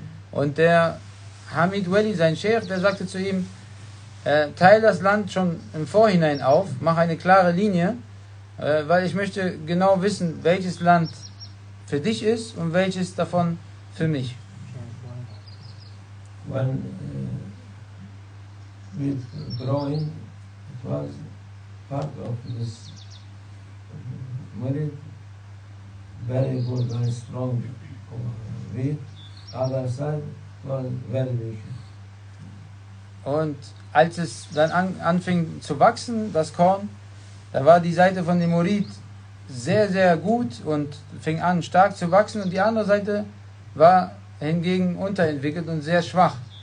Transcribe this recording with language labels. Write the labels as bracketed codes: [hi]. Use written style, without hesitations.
[de] Und der Hamid Wali, sein Sheikh, der sagte zu ihm, teile das Land schon im Vorhinein auf, mach eine klare Linie, weil ich möchte genau wissen, welches Land für dich ist und welches davon für mich. [en] When wheat growing, it was part of this wheat, very good, very strong wheat. Other side was very weak. [de] Und als es dann anfing zu wachsen, das Korn, da war die Seite von dem Murid sehr, sehr gut und fing an, stark zu wachsen. Und die andere Seite war hingegen unterentwickelt und sehr schwach.